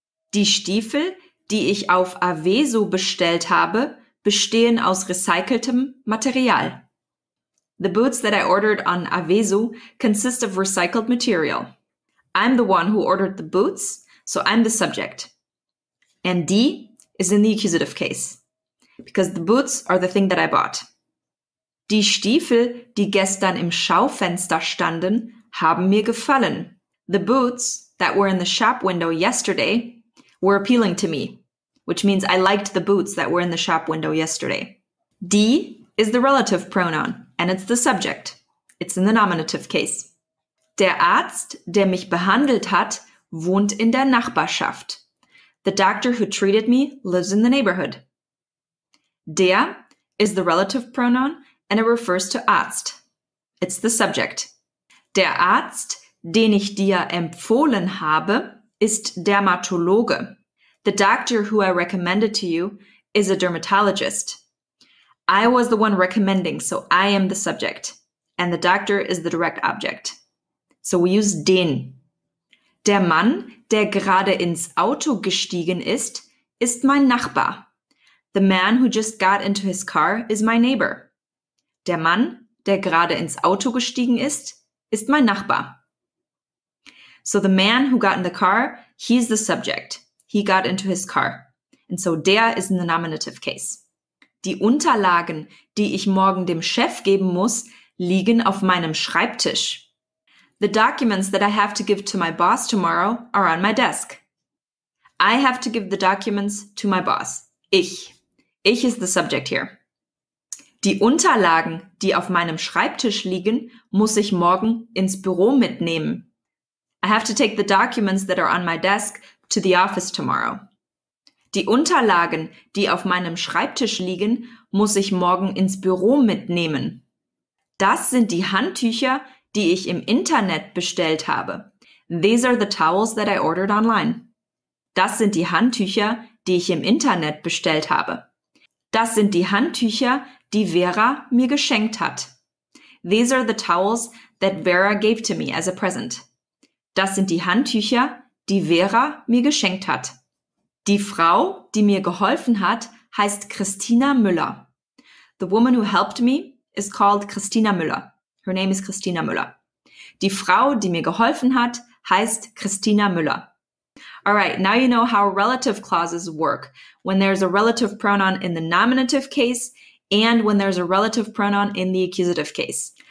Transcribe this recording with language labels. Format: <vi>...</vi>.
<de>Die Stiefel, die ich auf Aweso bestellt habe, bestehen aus recyceltem Material.</de> <en>The boots that I ordered on Aweso consist of recycled material. I'm the one who ordered the boots, so I'm the subject. And die is in the accusative case, because the boots are the thing that I bought.</en> <de>Die Stiefel, die gestern im Schaufenster standen, haben mir gefallen.</de> <en>The boots that were in the shop window yesterday were appealing to me, which means I liked the boots that were in the shop window yesterday. Die is the relative pronoun, and it's the subject. It's in the nominative case.</en> <de>Der Arzt, der mich behandelt hat, wohnt in der Nachbarschaft.</de> <en>The doctor who treated me lives in the neighborhood. Der is the relative pronoun, and it refers to Arzt. It's the subject.</en> <de>Der Arzt, den ich dir empfohlen habe, ist Dermatologe.</de> <en>The doctor who I recommended to you is a dermatologist. I was the one recommending, so I am the subject. And the doctor is the direct object. So we use den.</en> <de>Der Mann, der gerade ins Auto gestiegen ist, ist mein Nachbar.</de> <en>The man who just got into his car is my neighbor.</en> <de>Der Mann, der gerade ins Auto gestiegen ist, ist mein Nachbar.</de> <en>So the man who got in the car, he's the subject. He got into his car. And so der is in the nominative case.</en> <de>Die Unterlagen, die ich morgen dem Chef geben muss, liegen auf meinem Schreibtisch.</de> <en>The documents that I have to give to my boss tomorrow are on my desk. I have to give the documents to my boss. Ich. Ich is the subject here.</en> <de>Die Unterlagen, die auf meinem Schreibtisch liegen, muss ich morgen ins Büro mitnehmen.</de> <en>I have to take the documents that are on my desk to the office tomorrow.</en> <de>Die Unterlagen, die auf meinem Schreibtisch liegen, muss ich morgen ins Büro mitnehmen. Das sind die Handtücher, die ich im Internet bestellt habe.</de> <en>These are the towels that I ordered online.</en> <de>Das sind die Handtücher, die ich im Internet bestellt habe. Das sind die Handtücher, die Vera mir geschenkt hat.</de> <en>These are the towels that Vera gave to me as a present.</en> <de>Das sind die Handtücher, die Vera mir geschenkt hat. Die Frau, die mir geholfen hat, heißt Christina Müller.</de> <en>The woman who helped me is called Christina Müller. Her name is Christina Müller.</en> <de>Die Frau, die mir geholfen hat, heißt Christina Müller.</de> <en>All right, now you know how relative clauses work. When there's a relative pronoun in the nominative case and when there's a relative pronoun in the accusative case.</en>